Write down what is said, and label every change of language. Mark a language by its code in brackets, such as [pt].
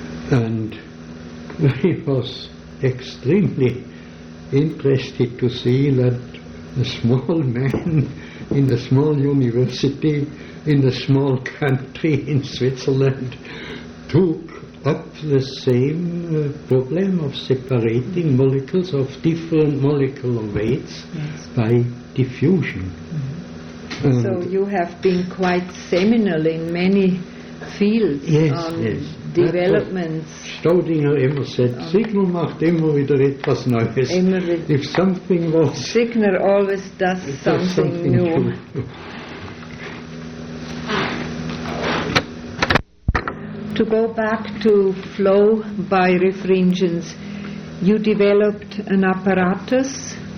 [en] And he was extremely interested to see that a small man in a small university in a small country in Switzerland took up the same problem of separating molecules of different molecular weights by diffusion. So you have been quite seminal in many fields. Developments. [de] Staudinger immer [en] said, [de] Signer macht immer wieder etwas Neues. [en] If something was... Signer always does something new. To go back to flow birefringence, you developed an apparatus?